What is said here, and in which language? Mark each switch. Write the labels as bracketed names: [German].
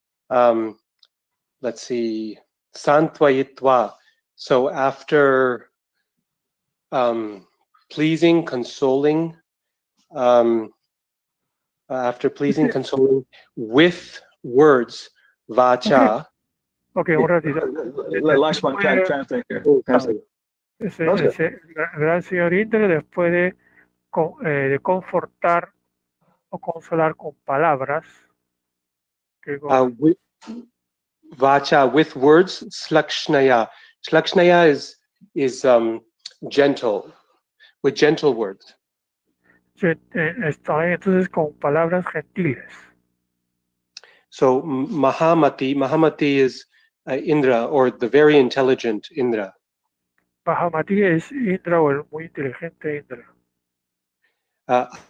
[English] Let's see. Santvayitva. So after pleasing, consoling, after pleasing, consoling with words, vacha. Okay, what are these? Lashman, translate. [Spanish] Gran señor Indra, después de confortar o consolar con palabras, [English] vacha, with words, slakshnaya. Slakshnaya is gentle, with gentle words. [Spanish] Está entonces con palabras gentiles. [English] So Mahamati is Indra or the very intelligent Indra. [Spanish] Mahamati es Indra o el muy inteligente Indra.